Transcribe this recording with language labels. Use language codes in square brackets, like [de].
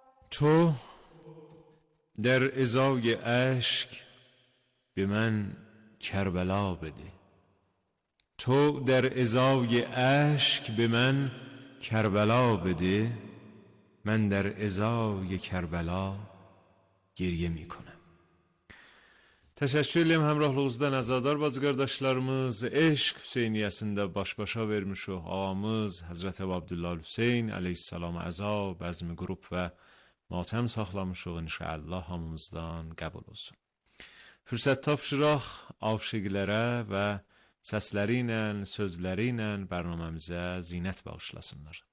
[fa] تو در ازای عشق به من کربلا بده، تو در ازای عشق به من کربلا بده، من در ازای کربلا گریه می کنم. [az] Təşəkkürləyəm həmrəhluğuzdan əzadar bacı qardaşlarımız. Eşq Hüseyniyəsində baş-başa vermişuq ağamız Həzrət Əbu Abdullah Hüseyn əleyhissalam əza bəzmi qrup və matəm saxlamışıq. İnşallah hamımızdan qəbul olsun. Fürsət tapşıraq avşiqlərə və səsləri ilə, sözləri ilə bərnaməmizə zinət bağışlasınlar.